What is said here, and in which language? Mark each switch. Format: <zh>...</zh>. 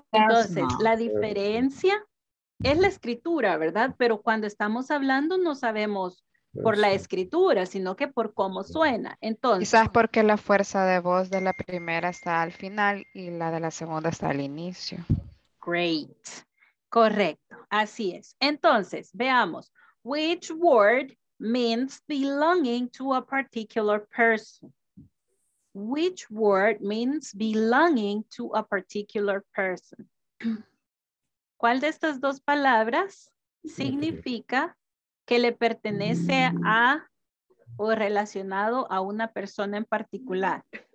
<es>Entonces, la diferencia es la escritura, ¿verdad? Pero cuando estamos hablando no sabemos por la escritura, sino que por cómo suena. Entonces, quizás porque la fuerza de voz de la primera está al final y la de la segunda está al inicio.</es> <en>Great.</en> <es>Correcto. Así es. Entonces, veamos.</es> <en>Which word means belonging to a particular person? Which word means belonging to a particular person?</en> <es>¿Cuál de estas dos palabras significa que le pertenece a o relacionado a una persona en particular?</es>